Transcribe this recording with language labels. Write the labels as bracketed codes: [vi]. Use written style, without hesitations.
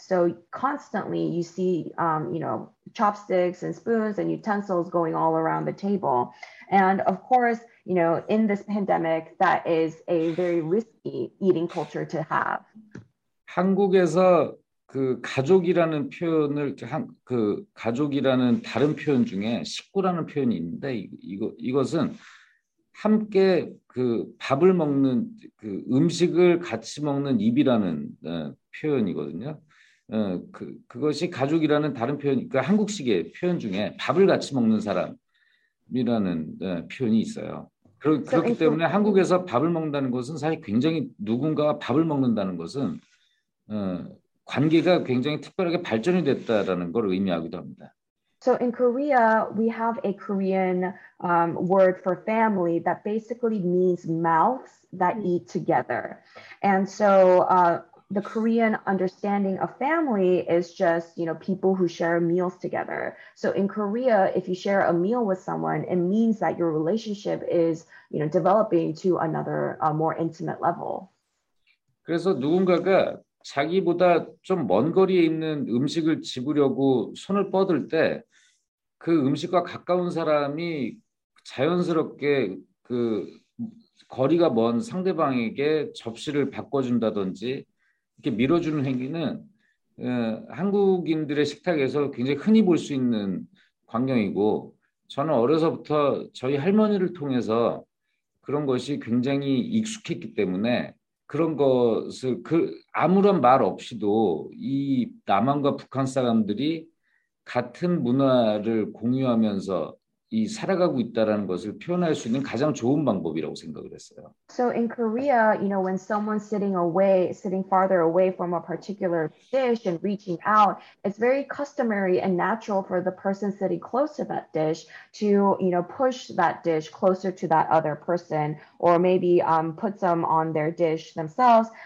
[en] So constantly you see chopsticks and spoons and utensils going all around the table. And of course, in this pandemic, that is a very risky eating culture to have. [ko] 한국에서 그 가족이라는 표현을 그 가족이라는 다른 표현 중에 식구라는 표현이 있는데 이것은 함께 그 밥을 먹는 그 음식을 같이 먹는 입이라는 표현이거든요. 그것이 가족이라는 다른 표현, 그 한국식의 표현 중에 밥을 같이 먹는 사람이라는 표현이 있어요. [en] So in [ko] 그렇기 때문에 [en] Korean. [ko] 한국에서 밥을 먹는다는 것은 사실 굉장히 누군가와 밥을 먹는다는 것은 관계가 굉장히 특별하게 발전이 됐다라는 걸 의미하기도 합니다. [en] So in Korea, we have a Korean word for family that basically means mouths that eat together. And so the Korean understanding of family is just, people who share meals together. So in Korea, if you share a meal with someone, it means that your relationship is, developing to another, more intimate level. [ko] 그래서 누군가가 자기보다 좀먼 거리에 있는 음식을 집으려고 손을 뻗을 때그 음식과 가까운 사람이 자연스럽게 그 거리가 먼 상대방에게 접시를 바꿔준다든지 이렇게 밀어주는 행위는 한국인들의 식탁에서 굉장히 흔히 볼수 있는 광경이고 저는 어려서부터 저희 할머니를 통해서 그런 것이 굉장히 익숙했기 때문에 그런 것을 그 아무런 말 없이도 이 남한과 북한 사람들이 같은 문화를 공유하면서 이 살아가고 있다라는 것을 표현할 수 있는 가장 좋은 방법이라고 생각을 했어요. [en] So in Korea, when someone's sitting farther away from a particular dish and reaching out, it's very customary and natural for the person sitting close to that dish to, push that dish closer to that other person, or maybe put some on their dish themselves.